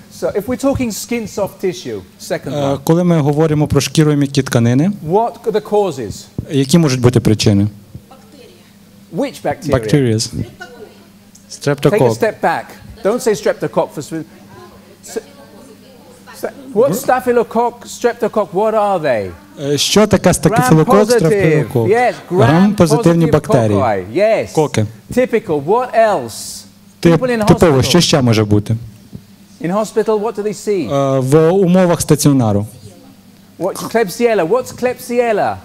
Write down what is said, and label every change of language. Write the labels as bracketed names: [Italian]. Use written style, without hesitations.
[English] So if we're talking skin soft tissue, second one. [Ukrainian] Коли ми говоримо про шкіру і м'які тканини, [English] what are the causes? [Ukrainian] Які можуть бути причини? [English] Bacteria. Which bacteria? Bacteria. Streptococ. Take a step back. Don't say streptococ for what staphylococ, streptococ, what are they? [Ukrainian] Що таке стафілококок, стрептококок? [English] Yes, [Ukrainian] грам-позитивні бактерії. [English] Yes. [Ukrainian] Коки. [English] Typical, what else? [Ukrainian] Типово, що ще може бути? [English] In hospital, what do they see? [Ukrainian] В умовах стаціонару. [English] Клебсіела, what's клебсіела?